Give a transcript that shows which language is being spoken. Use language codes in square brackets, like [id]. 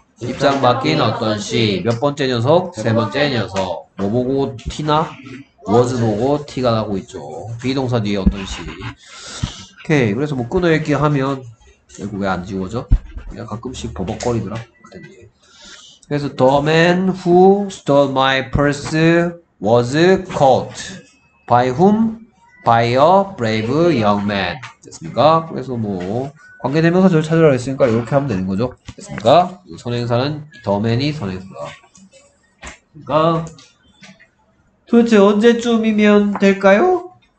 [ko] 입장 바뀐 어떤 씨? 몇 번째 녀석? 세 번째 녀석. 뭐 보고 티나? was 보고 티가 나고 있죠. 비동사 뒤에 어떤 씨? 오케이. 그래서 뭐 끊어 읽기 하면 이거 왜 안 지워져? 그냥 가끔씩 버벅거리더라. 그래서 [en] the man who stole my purse was caught by whom? by a brave young man. [ko] 됐습니까? 그래서 뭐 관계대명사 저를 찾으라고 했으니까 이렇게 하면 되는 거죠. 됐습니까? 네. 선행사는 더 맨이 선행사가. 그러니까 도대체 언제쯤이면 될까요?